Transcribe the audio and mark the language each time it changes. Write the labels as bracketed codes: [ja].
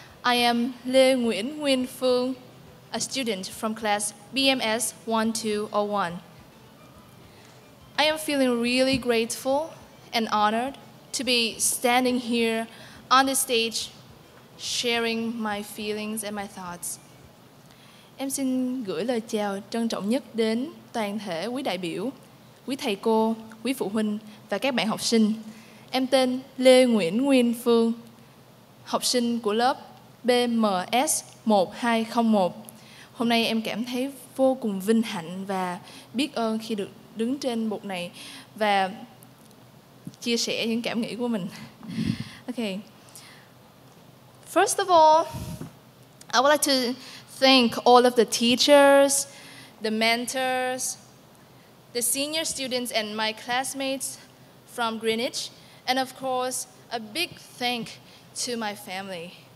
[en] I am Lê Nguyễn Nguyên Phương, a student from class BMS 1201. I am feeling really grateful and honored to be standing here on the stage sharing my feelings and my thoughts. [vi] Em xin gửi lời chào trân trọng nhất đến toàn thể quý đại biểu, quý thầy cô, quý phụ huynh và các bạn học sinh. Em tên Lê Nguyễn Nguyên Phương, học sinh của lớp BMS 1201. Hôm nay em cảm thấy vô cùng vinh hạnh và biết ơn khi được đứng trên bục này và chia sẻ những cảm nghĩ của mình. [en] Okay. First of all, I would like to thank all of the teachers, the mentors, the senior students and my classmates from Greenwich. And of course, a big thank to my family.